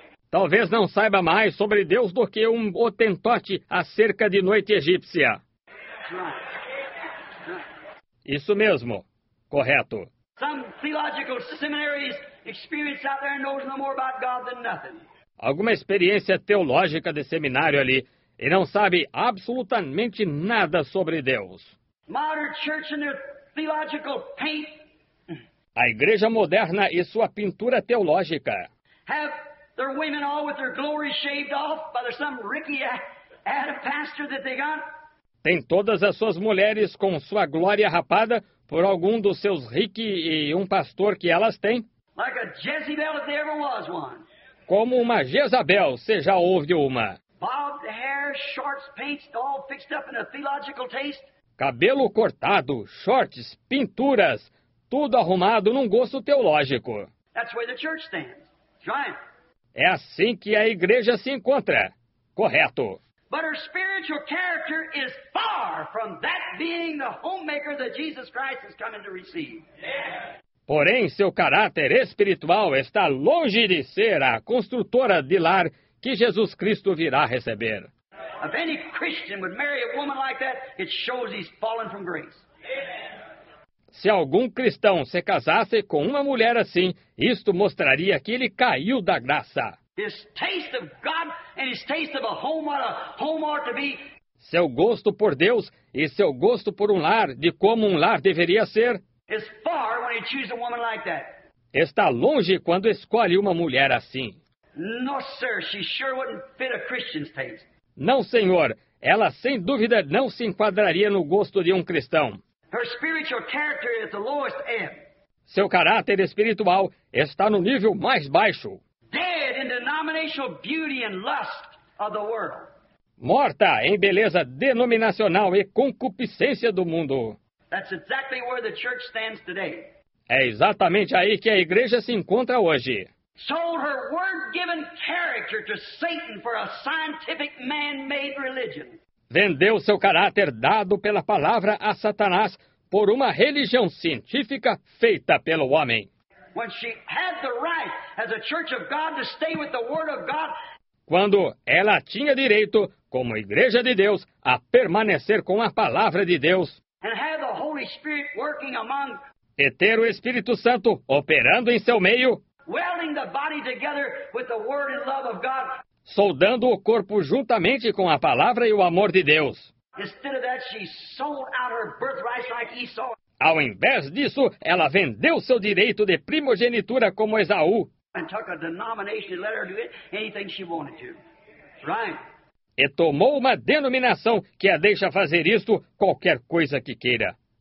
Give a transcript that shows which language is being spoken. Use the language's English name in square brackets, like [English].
[Portuguese] Talvez não saiba mais sobre Deus do que um hotentote acerca de noite egípcia. Isso mesmo. Correto. [English] Some theological seminaries experience out there knows no more about God than nothing. [Portuguese] Alguma experiência teológica de seminário ali e não sabe absolutamente nada sobre Deus. [English] Modern church and their theological paint. [Portuguese] A igreja moderna e sua pintura teológica. [English] Have their women all with their glory shaved off by some ricky ad pastor that they got. [Portuguese] Tem todas as suas mulheres com sua glória rapada por algum dos seus ricky e um pastor que elas têm. [English] Like a Jezebel if there ever was one. [Portuguese] Como uma Jezabel, se já houve uma. [English] Bobbed hair, shorts, paints, all fixed up in a theological taste. [Portuguese] Cabelo cortado, shorts, pinturas, tudo arrumado num gosto teológico. [English] That's where the church stands. Giant. [Portuguese] É assim que a igreja se encontra. Correto. [English] But her spiritual character is far from that being the homemaker that Jesus Christ is coming to receive. [Portuguese] Yeah. Porém, seu caráter espiritual está longe de ser a construtora de lar que Jesus Cristo virá receber. [English] If any Christian would marry a woman like that, it shows he's fallen from grace. [Portuguese] Se algum cristão se casasse com uma mulher assim, isto mostraria que ele caiu da graça. [English] His taste of God and his taste of a home ought to be. [Portuguese] Seu gosto por Deus e seu gosto por um lar, de como um lar deveria ser. [English] Is far when he chooses a woman like that. [Portuguese] Está longe quando escolhe uma mulher assim. [English] No, sir, she sure wouldn't fit a Christian's taste. [Portuguese] Não, senhor, ela sem dúvida não se enquadraria no gosto de um cristão. [English] Her spiritual character is the lowest ebb. [Portuguese] Seu caráter espiritual está no nível mais baixo. [English] Dead in denominational beauty and lust of the world. [Portuguese] Morta em beleza denominacional e concupiscência do mundo. [English] That's exactly where the church stands today. [Portuguese] É exatamente aí que a igreja se encontra hoje. [English] Sold her word-given character to Satan for a scientific man-made religion. [Portuguese] Vendeu seu caráter dado pela palavra a Satanás por uma religião científica feita pelo homem. [English] When she had the right as a church of God to stay with the word of God. [Portuguese] Quando ela tinha direito, como igreja de Deus, a permanecer com a palavra de Deus. [English] And have the Holy Spirit working among. [Portuguese] E ter o Espírito Santo operando em seu meio. [English] Welding the body together with the word and love of God. [Portuguese] Soldando o corpo juntamente com a palavra e o amor de Deus. [English] Instead of that, she sold out her birthright like Esau. [Portuguese] Ao invés disso, ela vendeu seu direito de primogenitura como Esaú. [English] And took a denomination and let her do anything she wanted to. Right. [Portuguese] E tomou uma denominação que a deixa fazer isto qualquer coisa que queira.